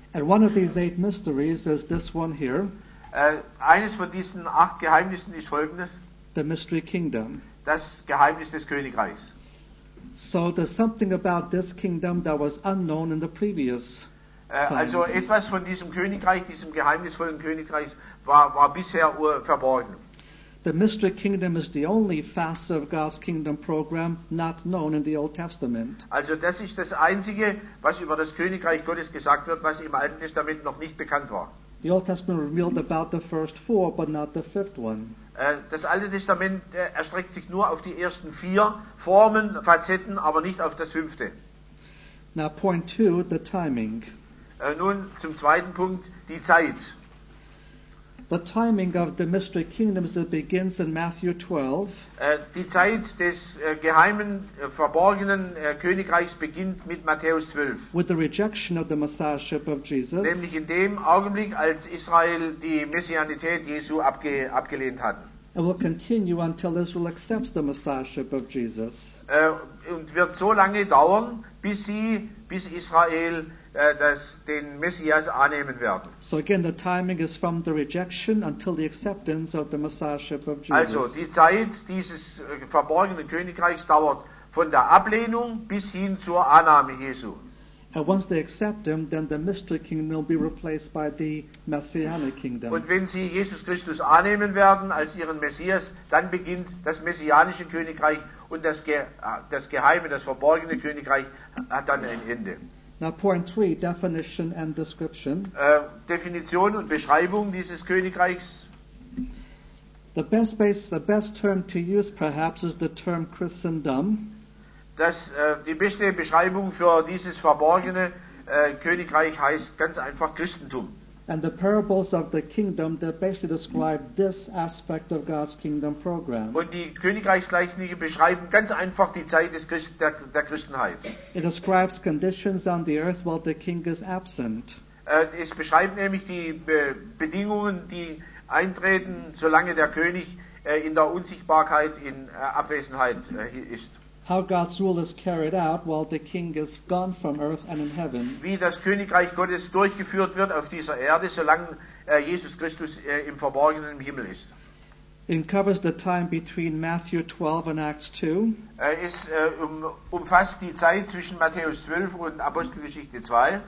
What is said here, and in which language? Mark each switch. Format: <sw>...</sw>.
<en>And one of these 8 mysteries is this one here.</en> <de>Eines von diesen 8 Geheimnissen ist folgendes.</de> <en>The mystery kingdom.</en> <de>Das Geheimnis des Königreichs.</de> <en>So there's something about this kingdom that was unknown in the previous times.</en> <de>Also etwas von diesem Königreich, diesem geheimnisvollen Königreich, war bisher verborgen.</de> <en>The mystery kingdom is the only facet of God's kingdom program not known in the Old Testament.</en> <de>Also das ist das einzige, was über das Königreich Gottes gesagt wird, was im Alten Testament noch nicht bekannt war.</de> <en>The Old Testament revealed about the first 4, but not the 5th one.</en> <de>Das Alte Testament erstreckt sich nur auf die ersten 4 Formen, Facetten, aber nicht auf das 5.</de> <en>Now point 2, the timing.</en> <de>Nun zum zweiten Punkt, die Zeit.</de> <en>The timing of the mystery kingdoms that begins in Matthew 12.</en> <de>Die Zeit des geheimen, verborgenen Königreichs beginnt mit Matthäus 12.</de> <en>With the rejection of the Messiahship of Jesus.</en> <de>Nämlich in dem Augenblick, als Israel die Messianität Jesu abgelehnt hat.</de> <en>It will continue until Israel accepts the Messiahship of Jesus.</en> <de>Und wird so lange dauern, bis Israel dass den Messias annehmen werden.</de> <en>So again, the timing is from the rejection until the acceptance of the Messiahship of Jesus.</en> <de>Also die Zeit dieses verborgenen Königreichs dauert von der Ablehnung bis hin zur Annahme Jesu.</de> <en>And once they accept him, then the mystery kingdom will be replaced by the messianic kingdom.</en> <de>Und wenn sie Jesus Christus annehmen werden als ihren Messias, dann beginnt das messianische Königreich und das geheime, das verborgene Königreich hat dann ein Ende.</de> <en>Now point 3, definition and description.</en> <de>Definition und Beschreibung dieses Königreichs.</de> <en>The best term to use perhaps is the term Christendom.</en> <de>dass die beste Beschreibung für dieses verborgene Königreich heißt ganz einfach Christentum.</de> <en>And the parables of the kingdom that basically describe this aspect of God's kingdom program.</en> <de>Und die Königreichsgleichnisse beschreiben ganz einfach die Zeit des der Christenheit.</de> <en>It describes conditions on the earth while the king is absent.</en> <de>Es beschreibt nämlich die Bedingungen, die eintreten, solange der König in der Unsichtbarkeit, in Abwesenheit ist.</de> <en>How God's rule is carried out while the king is gone from earth and in heaven.</en> <de>Wie das Königreich Gottes durchgeführt wird auf dieser Erde, solange Jesus Christus im Verborgenen im Himmel ist.</de> <en>It covers the time between Matthew 12 and Acts 2.</en> <de>Es umfasst die Zeit zwischen Matthäus 12 und Apostelgeschichte 2.</de>